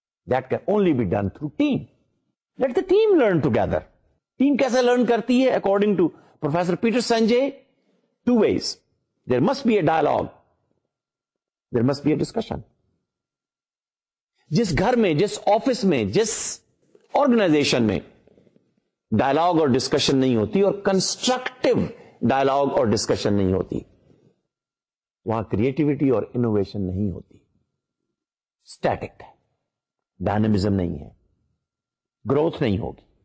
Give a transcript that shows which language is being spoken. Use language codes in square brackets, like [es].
[en] That can only be done through team. Let the team learn together. [ur] Team کیسے learn کرتی ہے؟ [en] According to professor Peter Senge, two ways. There must be a dialogue, there must be a discussion. [ur] جس گھر میں, جس office میں, جس organization میں ڈائلگ اور ڈسکشن نہیں ہوتی, اور کنسٹرکٹیو ڈائلگ اور ڈسکشن نہیں ہوتی, وہاں کریٹیویٹی اور انوویشن نہیں ہوتی. اسٹیٹک ہے, ڈائنمزم نہیں ہے, گروتھ نہیں ہوگی.